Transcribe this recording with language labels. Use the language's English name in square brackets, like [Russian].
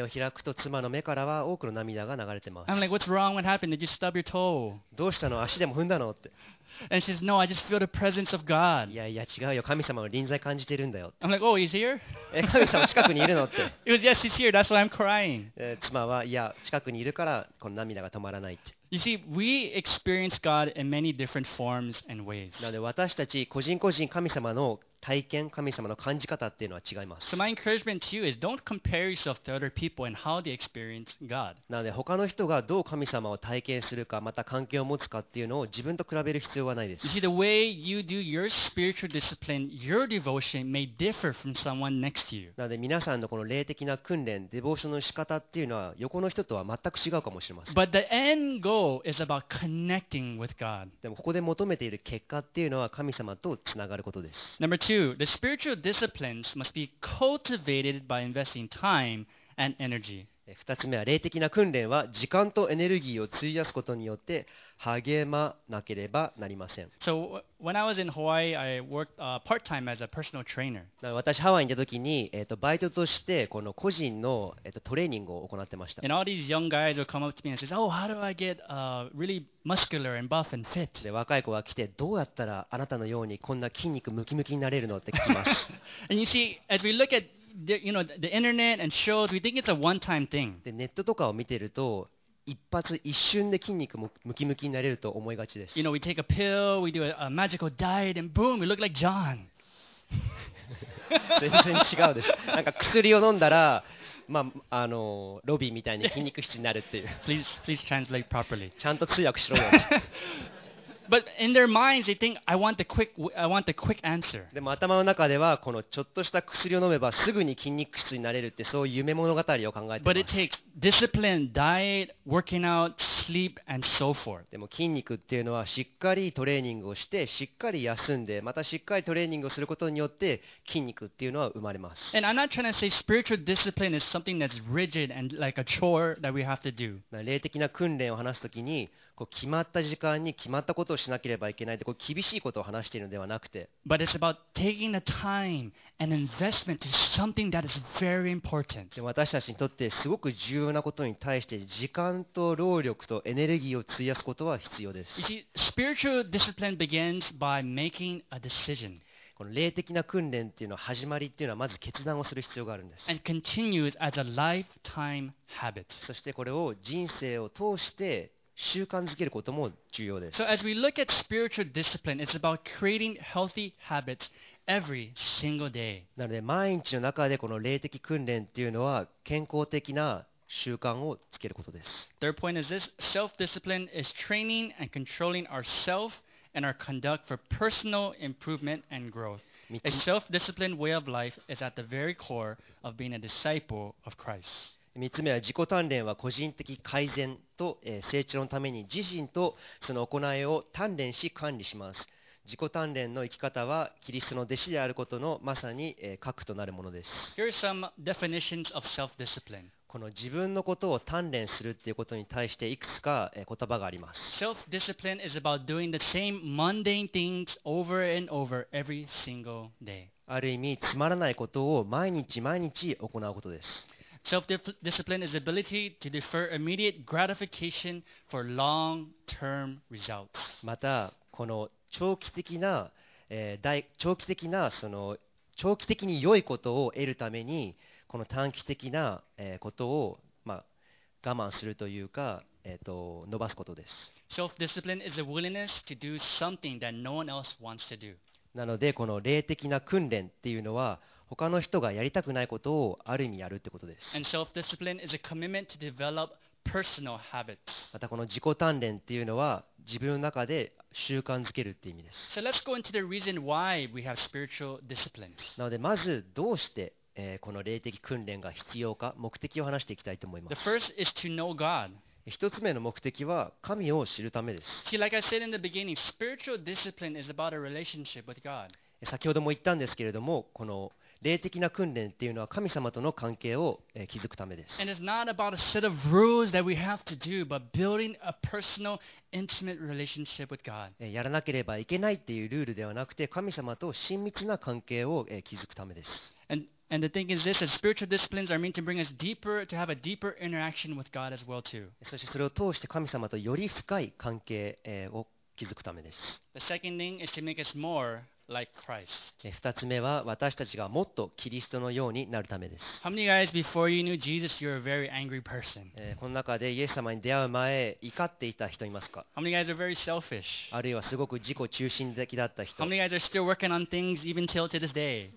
[Japanese] くと妻の目からは多くの涙が流れています [English] 。 I'm like, what's wrong? What happened? Did you stub your toe? [Japanese] どうしたの？足でも踏んだの？って。 [English] And she says, no, I just feel the presence of God. [Japanese] いやいや違うよ、神様の臨在感じてるんだよ。 [English] I'm like, oh, he's here? [Japanese] 神様近くにいるの？って。 [English] He was, yes, he's here, that's why I'm crying. [Japanese] 妻はいや近くにいるからこの涙が止まらないって。 [English] You see, we experience God in many different forms and ways. [Japanese] なので私たち個人個人神様の体験、神様の感じ方っていうのは違います。 [English] So my encouragement to you is don't compare yourself to other people and how they experience God. [Japanese] なので他の人がどう神様を体験するか、また関係を持つかっていうのを自分と比べる必要はないです。 [English] You see, the way you do your spiritual discipline, your devotion may differ from someone next to you. [Japanese] なので皆さんのこの霊的な訓練、デボーションの仕方っていうのは横の人とは全く違うかもしれません。 [English] But the end goal is about connecting with God. [Japanese] でもここで求めている結果っていうのは神様とつながることです。 [English] Number two, the spiritual disciplines must be cultivated by investing time and energy. [Japanese] 二つ目は霊的な訓練は時間とエネルギーを費やすことによって励まなければなりません。 [English] So when I was in Hawaii, I worked part-time as a personal trainer. [Japanese] 私ハワイにいた時に、バイトとしてこの個人の、トレーニングを行ってました。 [English] And all these young guys would come up to me and say, Oh, how do I get really muscular and buff and fit? [Japanese] で若い子が来てどうやったらあなたのようにこんな筋肉ムキムキになれるのって聞きます。 [English] And you see, as we look atYou know, the internet and shows, we think it's a one-time thing. [Japanese] でネットとかを見てると一発一瞬で筋肉もムキムキになれると思いがちです。 [English] You know, we take a pill, we do a magical diet, and boom, we look like John. [Japanese] 全然違うです。なんか薬を飲んだら、まあ、ロビーみたいに筋肉質になるっていう。 [English] please translate properly. [Japanese] ちゃんと通訳しろよ。 [English] But in their minds, they think, I want the quick answer. [Japanese] でも頭の中ではこのちょっとした薬を飲めばすぐに筋肉質になれるってそういう夢物語を考えてます。 [English] But it takes discipline, diet, working out, sleep, and so forth. [Japanese] でも筋肉っていうのはしっかりトレーニングをしてしっかり休んでまたしっかりトレーニングをすることによって筋肉っていうのは生まれます。 [English] And I'm not trying to say spiritual discipline is something that's rigid and like a chore that we have to do. [Japanese] 霊的な訓練を話すときに。こう決まった時間に決まったことをしなければいけないってこう厳しいことを話しているのではなくて、 [English] But it's about taking the time and investment to something that is very important. [Japanese] 私たちにとってすごく重要なことに対して時間と労力とエネルギーを費やすことは必要です。 [English] You see, spiritual discipline begins by making a decision. [Japanese] この霊的な訓練っていうのは始まりっていうのはまず決断をする必要があるんです。 [English] And continues as a lifetime habit. [Japanese] そしてこれを人生を通して習慣づけることも重要です。 [English] So as we look at spiritual discipline, it's about creating healthy habits every single day. [Japanese] なので毎日の中でこの霊的訓練っていうのは健康的な習慣をつけることです。 [English] Third point is this, self-discipline is training and controlling ourselves and our conduct for personal improvement and growth. A self-disciplined way of life is at the very core of being a disciple of Christ. [Japanese] 3つ目は自己鍛錬は個人的改善と成長のために自身とその行いを鍛錬し管理します。自己鍛錬の生き方はキリストの弟子であることのまさに核となるものです。 [English] Here are some definitions of self-discipline. [Japanese] この自分のことを鍛錬するということに対していくつか言葉があります。 [English] Self-discipline is about doing the same mundane things over and over every single day. [Japanese] ある意味つまらないことを毎日毎日行うことです。 [English] Self-discipline is the ability to defer immediate gratification for long-term results. [Japanese] また、この長期的な、長期的な、その長期的に良いことを得るために、この短期的な、ことを、まあ、我慢するというか、伸ばすことです。 [English] Self-discipline is a willingness to do something that no one else wants to do. [Japanese] なので、この霊的な訓練っていうのは、他の人がやりたくないことをある意味やるってことです。 [English] And self-discipline is a commitment to develop personal habits. [Japanese] またこの自己鍛錬っていうのは自分の中で習慣づけるって意味です。 [English] So let's go into the reason why we have spiritual disciplines. [Japanese] なのでまずどうして、この霊的訓練が必要か目的を話していきたいと思います。 [English] The first is to know God. [Japanese] 一つ目の目的は神を知るためです。 [English] See, like I said in the beginning, spiritual discipline is about a relationship with God. [Japanese] 先ほども言ったんですけれどもこの霊的な訓練っていうのは神様との関係を築くためです。 [English] And it's not about a set of rules that we have to do, but building a personal, intimate relationship with God. [Japanese] やらなければいけないっていうルールではなくて、神様と親密な関係を築くためです。 [English] And the thing is this, that spiritual disciplines are meant to bring us deeper, to have a deeper interaction with God as well too. [Japanese] そしてそれを通して神様とより深い関係を築くためです。 [English] The second thing is to make us more. Like、Christ. [Japanese] 2つ目は私たちがもっとキリストのようになるためです。 [English] How many guys before you knew Jesus, you're a very angry person? [Japanese] この中でイエス様に出会う前怒っていた人いますか。 [English] How many guys are very selfish? [Japanese] あるいはすごく自己中心的だった人。 [English] How many guys are still working on things even till to this day?